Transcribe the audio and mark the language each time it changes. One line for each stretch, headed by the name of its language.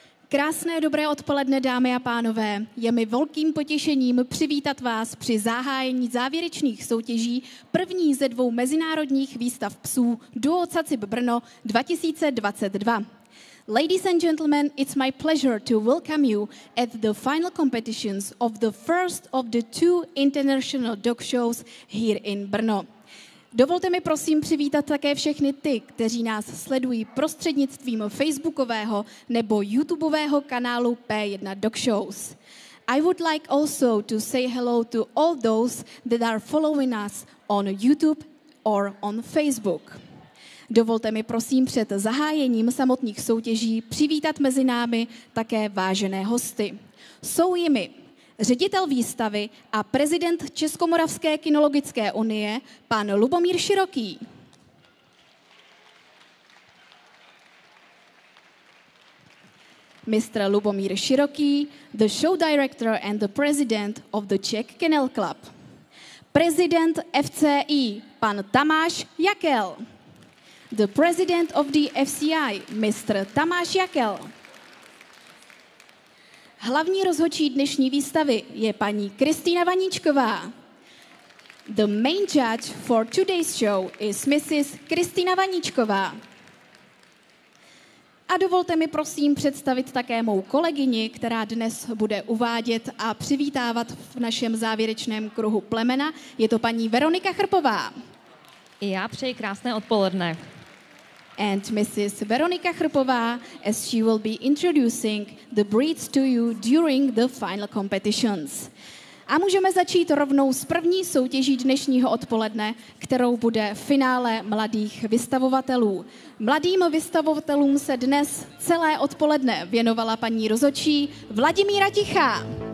Czech: Krásné dobré odpoledne, dámy a pánové. Je mi velkým potěšením přivítat vás při zahájení závěrečných soutěží první ze dvou mezinárodních výstav psů Duo Cacib Brno 2022.
English: Ladies and gentlemen, it's my pleasure to welcome you at the final competitions of the first of the two international dog shows here in Brno.
Czech: Dovolte mi prosím přivítat také všechny ty, kteří nás sledují prostřednictvím facebookového nebo youtubeového kanálu P1 Dog Shows.
English: I would like also to say hello to all those that are following us on YouTube or on Facebook.
Czech: Dovolte mi prosím před zahájením samotných soutěží přivítat mezi námi také vážené hosty. Jsou jimi ředitel výstavy a prezident Českomoravské kynologické unie, pan Lubomír Široký.
English: Mr. Lubomír Široký, the show director and the president of the Czech Kennel Club.
Czech: Prezident FCI, pan Tamáš Jakel.
English: The president of the FCI, Mr. Tamáš Jakel.
Czech: Hlavní rozhodčí dnešní výstavy je paní Kristýna Vaníčková.
English: The main judge for today's show is Mrs. Kristýna Vaníčková.
Czech: A dovolte mi prosím představit také mou kolegyni, která dnes bude uvádět a přivítávat v našem závěrečném kruhu plemena. Je to paní Veronika Chrpová. Já přeji krásné odpoledne.
English: And Mrs. Veronika Chrpová, as she will be introducing the breeds to you during the final competitions.
Czech: A můžeme začít rovnou s první soutěží dnešního odpoledne, kterou bude finále mladých vystavovatelů. Mladým vystavovatelům se dnes celé odpoledne věnovala paní rozhodčí Vladimíra Tichá.